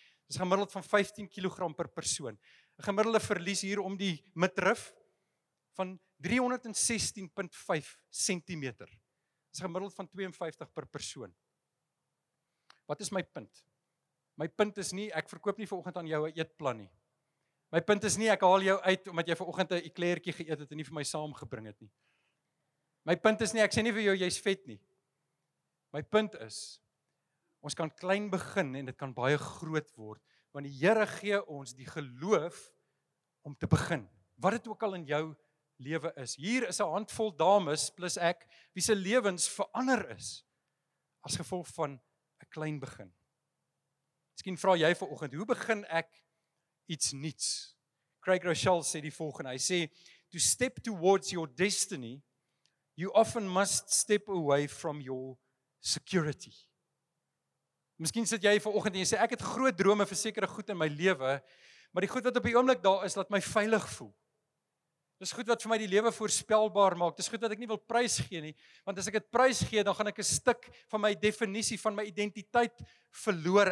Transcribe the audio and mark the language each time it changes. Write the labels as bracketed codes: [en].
[af] Dit is gemiddeld van 15 kg per persoon. 'n Gemiddelde verlies hier om die midriff van 316.5 cm. Dit is gemiddeld van 52 per persoon. Wat is my punt? My punt is nie ek verkoop nie vanoggend aan jou 'n eetplan nie. My punt is nie ek haal jou uit omdat jy vanoggend 'n eklertjie geëet het en nie vir my saamgebring het nie. My punt is nie ek sê nie vir jou jy's vet nie. My punt is ons kan klein begin en dit kan baie groot word, want die Here gee ons die geloof om te begin. Wat dit ook al in jou lewe is. Hier is 'n handvol dames plus ek wie se lewens verander is as gevolg van 'n klein begin. Miskien vra jy vanoggend, hoe begin ek iets nuuts? [en] Craig Rochelle [af] sê die volgende, hy sê, [en] to step towards your destiny, you often must step away from your security. [af] Miskien sit jy vanoggend en jy sê, ek het groot drome vir sekere goed in my lewe, maar die goed wat op die oomblik daar is, laat my veilig voel. Dis goed wat vir my die lewe voorspelbaar maak, dis goed wat ek nie wil prysgee nie, want as ek het prysgee, dan gaan ek 'n stuk van my definisie, van my identiteit verloor.